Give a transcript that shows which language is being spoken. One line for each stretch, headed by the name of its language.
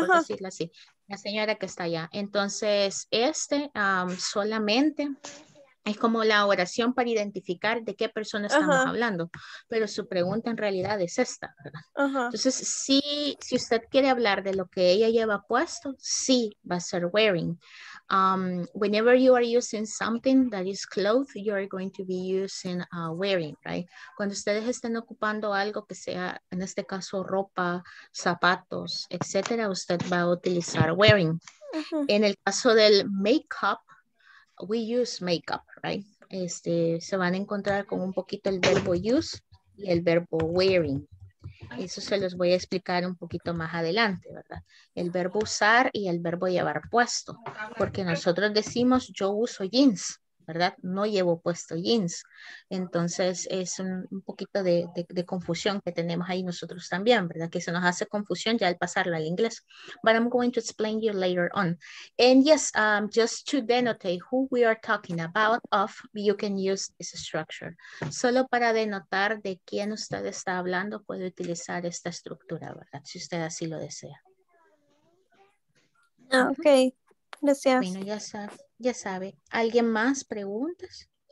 Spanish: Por decirlo así, la señora que está allá. Entonces, este solamente es como la oración para identificar de qué persona estamos hablando. Pero su pregunta en realidad es esta, ¿verdad? Entonces, si, si usted quiere hablar de lo que ella lleva puesto, sí, va a ser wearing.
English: Whenever you are using something that is cloth, you are going to be using wearing, right?
Spanish: Cuando ustedes estén ocupando algo que sea, en este caso, ropa, zapatos, etcétera, usted va a utilizar wearing. En el caso del
English: makeup, we use makeup, right?
Spanish: Este, se van a encontrar con un poquito el verbo use y el verbo wearing. Eso se los voy a explicar un poquito más adelante, ¿verdad? El verbo usar y el verbo llevar puesto. Porque nosotros decimos yo uso jeans, ¿verdad? No llevo puesto jeans. Entonces es un poquito de confusión que tenemos ahí nosotros también, ¿verdad? Que se nos hace confusión ya al pasarlo al inglés.
English: But I'm going to explain you later on. And yes, just to denote who we are talking about of, you can use this structure.
Spanish: Solo para denotar de quién usted está hablando, puede utilizar esta estructura, ¿verdad? Si usted así lo desea. Ok, gracias. Bueno, ya sabes. Ya sabe. ¿Alguien más preguntas?